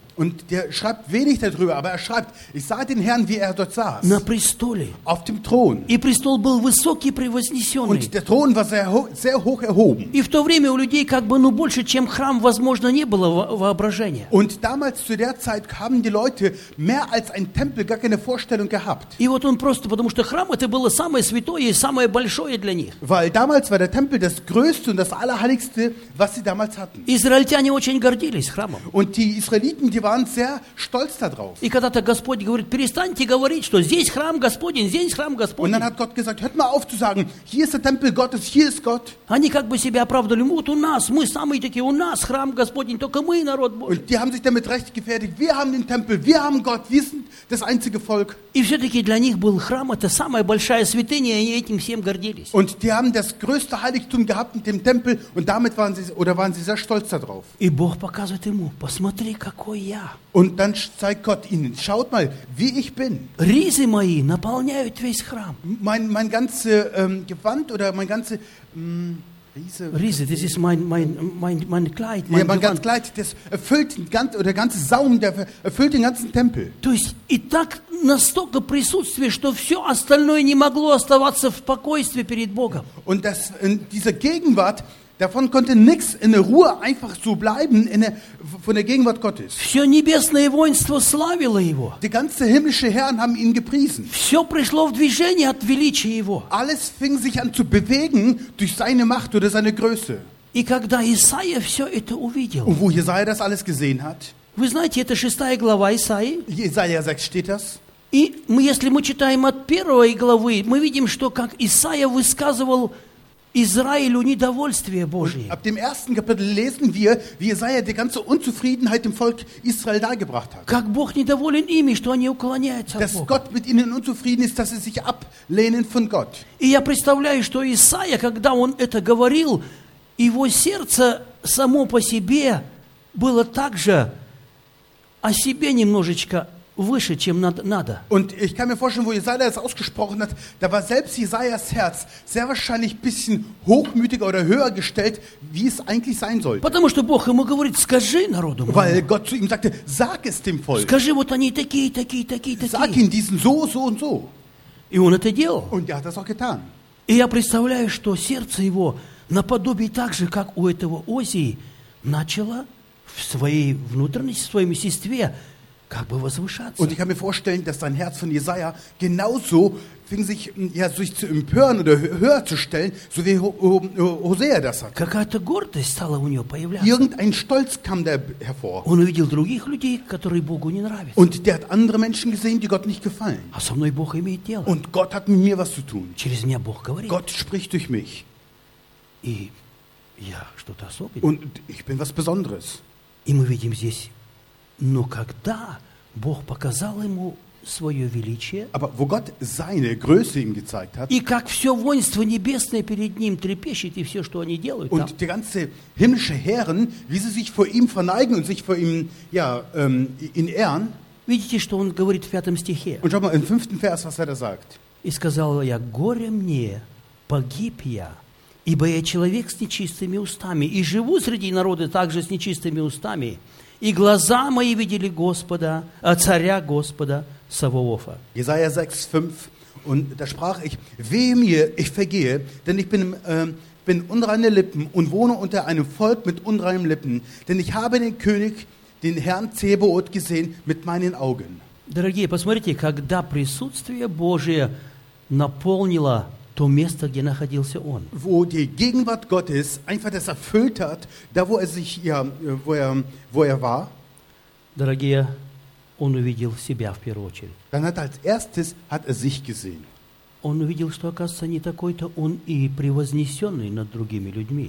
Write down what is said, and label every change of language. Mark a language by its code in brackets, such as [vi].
[de] Und der schreibt wenig darüber, aber er schreibt, ich sah den Herrn, wie er dort saß. [ru] На престоле. [de] Auf dem Thron. [ru] И престол был высокий, превознесенный. [de] Und der Thron war sehr hoch erhoben. [ru] И в то время у людей как бы, ну, больше, чем храм, возможно, не было воображения. [de] Und damals, zu der Zeit, haben die Leute mehr als ein Tempel gar keine Vorstellung gehabt. [ru] И вот он просто, потому что храм это было самое святое и самое большое для них. [de] Weil damals war der Tempel das größte und das allerheiligste, was sie damals hatten. [ru] Израильтяне очень гордились храмом. [de] Und die Israeliten, die waren sehr stolz darauf. [ru] И когда-то Господь говорит, перестаньте говорить, что здесь храм Господень, здесь храм Господень. [de] Und dann hat Gott gesagt, hört mal auf zu sagen, hier ist der Tempel Gottes, hier ist Gott. [ru] Они как бы себя оправдали, вот у нас, мы самые такие, у нас храм Господень, только мы народ Божий. [de] Und die haben sich damit recht gefertigt, wir haben den Tempel, wir haben Gott, wir sind das einzige Volk. [ru] И все-таки для них был храм, это самая большая святыня, и они этим всем гордились. [de] Und die haben das größte Heiligtum gehabt mit dem Tempel, und damit waren sie sehr stolz darauf. [ru] И Бог показывает ему, посмотри, какой я. [de] Und dann zeigt Gott ihnen, schaut mal, wie ich bin. [ru] Ризы мои наполняют весь храм. [de] Mein ganzes Gewand oder mein ganzes Riese, das ist mein Kleid. Mein ja, mein ganzes Kleid, das erfüllt den ganzen, oder ganze Saum, der erfüllt den ganzen Tempel. [ru] То есть и так настолько присутствие, что все остальное не могло оставаться в покойстве перед Богом. [de] Und das, in dieser Gegenwart Davon konnte nichts in der Ruhe einfach so bleiben in der, von der Gegenwart Gottes. [ru] Все небесное воинство славило его. [de] Die ganze himmlische Herren haben ihn gepriesen. [ru] Все пришло в движение от величия его. [de] Alles fing sich an zu bewegen durch seine Macht oder seine Größe. [ru] И когда Исаия все это увидел. [de] Und wo Jesaja das alles gesehen hat. [ru] Вы знаете, это шестая глава Исаии. [de] Исаия 6 steht das. [ru] И мы, если мы читаем от первой главы, мы видим, что как Исаия высказывал Израилю недовольствие Божие. [de] Ab dem ersten Kapitel lesen wir, wie Jesaja die ganze Unzufriedenheit dem Volk Israel dargebracht hat. [ru] Как Бог недоволен ими, что они уклоняются от Бога. [de] Dass Gott mit ihnen unzufrieden ist, dass sie sich ablehnen von Gott. [ru] И я представляю, что Исаия, когда он это говорил, его сердце само по себе было также о себе немножечко выше, чем надо. [de] Und ich kann mir vorstellen, wo Jesaja das ausgesprochen hat, da war selbst Jesajas Herz sehr wahrscheinlich ein bisschen hochmütiger oder höher gestellt, wie es eigentlich sein sollte. [ru] Потому что Бог ему говорит: "Скажи народу моему." [de] Weil Gott zu ihm sagte: "Sag es dem Volk." [ru] Скажи вот они такие, такие, такие, такие. [de] Sag ihnen diesen so, so und so. [ru] И он это делал. [de] Und er hat das auch getan. [ru] И я представляю, что сердце его наподобие так же, как у этого Озии, начало в своей внутренности, в своем естестве как бы возвышаться. [de] Und ich kann mir vorstellen, dass sein Herz von Jesaja genauso fing sich, ja, sich zu empören oder höher zu stellen, so wie Hosea das hat. [ru] Какая-то гордость стала у него появляться. [de] Irgendein Stolz kam da hervor. [ru] Он увидел других людей, которые Богу не нравятся. [de] Und der hat andere Menschen gesehen, die Gott nicht gefallen. [ru] А со мной Бог имеет дело. [de] Und Gott hat mit mir was zu tun. [ru] Через меня Бог говорит. [de] Gott spricht durch mich. [ru] И я что-то особенное. [de] Und ich bin was Besonderes. [ru] И мы видим здесь. Но когда Бог показал ему свое величие, [de] aber wo Gott seine Größe ihm gezeigt hat, [ru] и как все воинство небесное перед ним трепещет и все, что они делают, [de] und [ru] там, [de] die ganze himmlische Herren, wie sie sich vor ihm verneigen und sich vor ihm, ja, in Ehren, [ru] видите, что он говорит в пятом стихе? [de] Und schau mal im fünften Vers, was er da sagt. [ru] И сказал я: горе мне, погиб я, ибо я человек с нечистыми устами и живу среди народа также с нечистыми устами. И глаза мои видели Господа, царя Господа Саваофа. [de] Jesaja 6, 5. Und da sprach ich: Wehe mir, ich vergehe, denn ich bin unreine Lippen und wohne unter einem Volk mit unreinen Lippen, denn ich habe den König, den Herrn Цебаот gesehen mit meinen Augen. [ru] Дорогие, посмотрите, когда присутствие Божие наполнило то место, где находился он. [de] Wo die Gegenwart Gottes einfach das erfüllt hat, da wo er sich, ja, wo er war. [ru] Дорогие, он увидел себя в первую очередь. [de] Dann hat als erstes hat er sich gesehen. [ru] Он увидел, что оказывается не такой-то он и превознесенный над другими людьми.